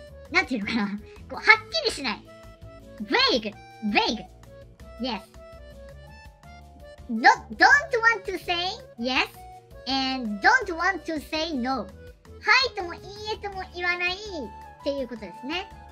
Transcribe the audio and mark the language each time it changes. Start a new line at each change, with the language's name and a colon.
Japanese: なんていうのかな、こうはっきりしない。
English: Vague. Yes. Don't want to say yes, and don't want to say no.
Japanese: はいともいいえとも言わないっていうことですね。